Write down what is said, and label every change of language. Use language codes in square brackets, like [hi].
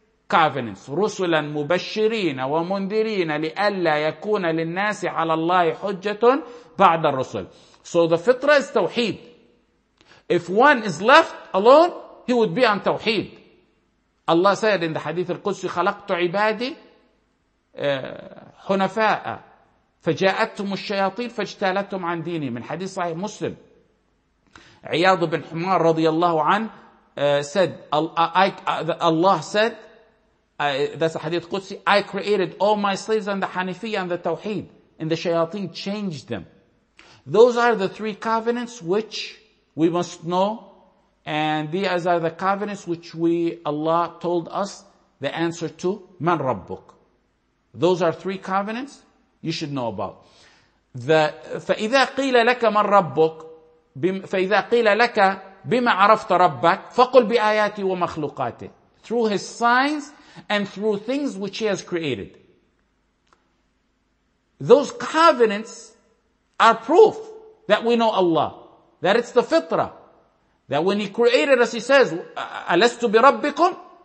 [ar] covenants, رسلا مبشرين ومنذرين لئلا يكون للناس على الله حجة بعد الرسل. [en] So the fitra is توحيد. If one is left alone, he would be on توحيد. Allah said in the hadith [ar] القدسي, خلقت عبادي حنفاء فجاءتهم الشياطين فاجتالتهم عن ديني, من حديث صحيح مسلم. [en] عياض بن حمار [ar] رضي الله عنه [en] said, Allah said, that's a hadith قدسي, I created all my slaves on the Hanifiyya and the Tawheed, and the shayateen changed them. Those are the three covenants which we must know, and these are the covenants which we, Allah told us the answer to, man rabbuk. Those are three covenants you should know about. [ar] فإذا قيل لك من ربك, فإذا قيل لك بما عرفت ربك, فقل بآياتي ومخلوقاتي. [en] Through his signs and through things which he has created. Those covenants are proof that we know Allah, that it's the fitra, that when he created us, he says, [ar] أَلَسْتُ بِرَبِّكُمْ?